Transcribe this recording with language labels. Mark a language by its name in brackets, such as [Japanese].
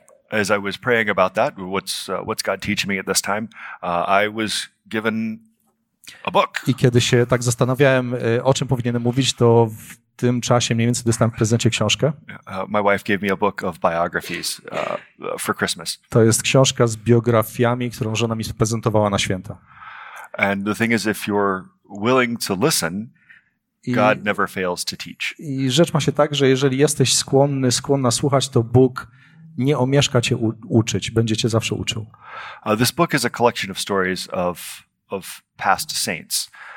[English] As I was praying about that, what's God teaching me at this time, I was given a book. [Polish] I kiedy się tak zastanawiałem, o czym powinienem mówić, to w tym czasie mniej więcej dostałem w prezencie książkę. [English] My wife gave me a book of biographies for Christmas. [Polish] To jest książka z biografiami, którą żona mi prezentowała na święta. [English] And the thing is, if you're willing to listen, God never fails to teach. [Polish] I rzecz ma się tak, że jeżeli jesteś skłonna słuchać, to Bóg nie omieszka cię uczyć, będzie cię zawsze uczył. [English] This book is a collection of stories of past saints.